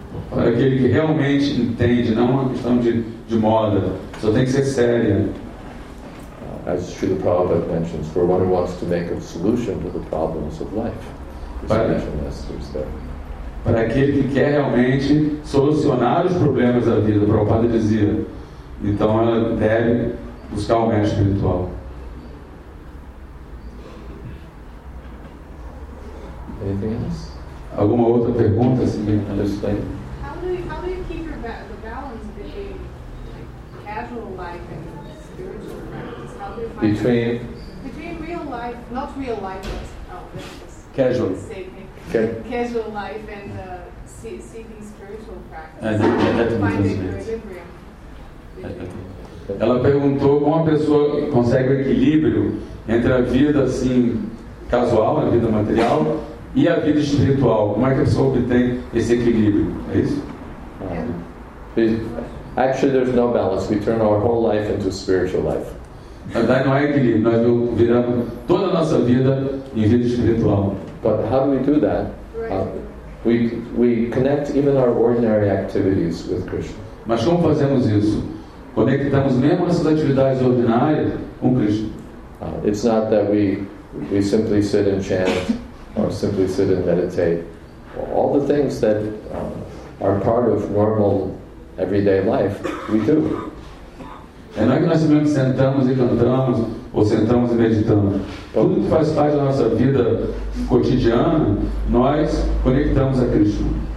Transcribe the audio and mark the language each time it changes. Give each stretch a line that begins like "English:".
Portuguese: Para aquele que realmente entende, não é uma questão de moda. Só tem que ser sério.
English: As Srila Prabhupada mentions, for one who wants to make a solution to the problems of life.
Portuguese: Para aquele que quer realmente solucionar os problemas da vida, Prabhupada dizia. Então ela deve buscar o mestre espiritual.
English: Anything else?
Portuguese: Alguma outra pergunta assim que eu não sei.
English: How do you keep your the balance between casual life and spiritual practice? How do you find between real life, not real life, but casual. Casual life and seeking spiritual practice. How do you find the equilibrium?
Portuguese: Ela perguntou como a pessoa consegue o equilíbrio entre a vida assim casual, a vida material. E a vida espiritual, como é que a pessoa obtém esse equilíbrio? É isso?
English: Actually, there's no balance. We turn our whole life into spiritual life.
Portuguese: Na verdade, não é equilíbrio. Nós viramos toda a nossa vida em vida espiritual.
English: But how do we do that? We connect even our ordinary activities with Krishna.
Portuguese: Mas como fazemos isso? Conectamos mesmo as atividades ordinárias com Krishna.
English: It's not that we simply sit and chant. Or simply sit and meditate. All the things that are part of normal everyday life, we do.
Portuguese: É não é que nós simplesmente sentamos e cantamos, ou sentamos e meditamos. Tudo que faz parte da nossa vida cotidiana, nós conectamos a Krishna.